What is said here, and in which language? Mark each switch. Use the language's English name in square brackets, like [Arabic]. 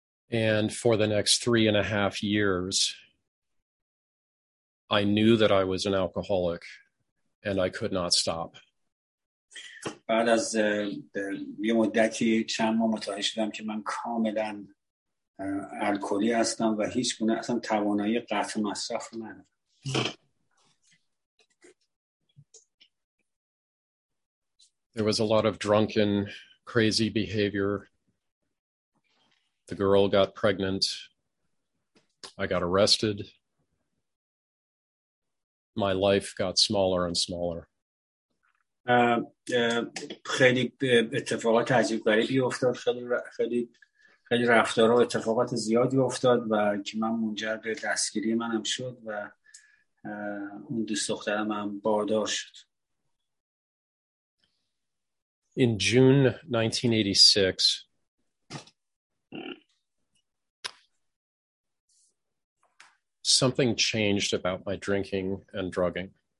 [English] And for the next 3.5 years, I knew that I was an alcoholic and I could not stop. [Persian] بعد از یه مدتی چند ماه متوجه شدم که من کاملاً الکلی هستم و هیچ گونه اصلا توانایی قطع مصرف رو ندارم. [English] There was a lot of drunken, crazy behavior. The girl got pregnant. I got arrested. My life got smaller and smaller. [Persian] خیلی اتفاقات عجیب غریبی افتاد. خیلی رفتارها اتفاقات زیادی افتاد و که من منجر به دستگیری منم شد و اون دوست دخترم هم باردار شد. [English] In June 1986, something changed about my drinking and drugging.